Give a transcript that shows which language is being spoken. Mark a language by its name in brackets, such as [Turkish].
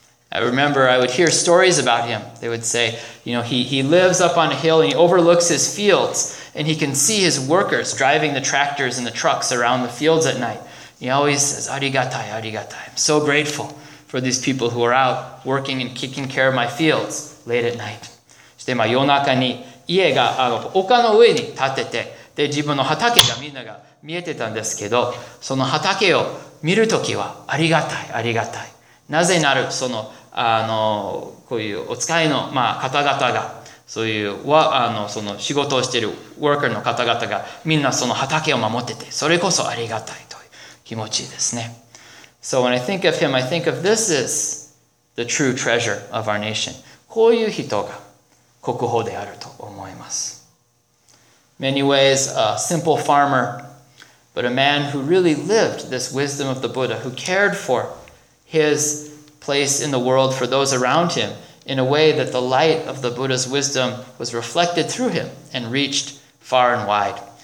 [English] I remember I would hear stories about him. They would say, you know, he lives up on a hill and he overlooks his fields and he can see his workers driving the tractors and the trucks around the fields at night. He always says, [Japanese] arigatai, arigatai. [English] I'm so grateful for these people who are out working and taking care of my fields late at night. [Japanese] そして夜中に家が丘の上に建てて、で自分の畑がみんなが見えてたんですけど、その畑を見るときはありがたい、ありがたい。なぜならその、こういうお使いの、方々が、そういう、その仕事をしているワーカーの方々が、みんなその畑を守ってて、それこそありがたいという気持ちですね。 [English] So when I think of him, I think of this is the true treasure of our nation. [Japanese] こういう人が kokuho de aru to omoimasu. [English] Many ways, a simple farmer, but a man who really lived this wisdom of the Buddha, who cared for his place in the world for those around him in a way that the light of the Buddha's wisdom was reflected through him and reached far and wide.